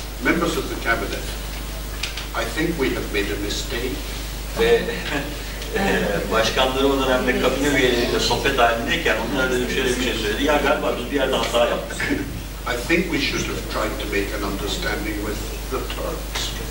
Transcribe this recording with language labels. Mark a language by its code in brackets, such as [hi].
[en] members of the cabinet, I think we have made a mistake. [tr] Ve başkanları o dönemde kabine üyeleriyle sohbet halindeyken onlar da şöyle bir şey söyledi. Ya galiba biz bir yerde hata yaptık. [en] I think we should have tried to make an understanding with the Turks.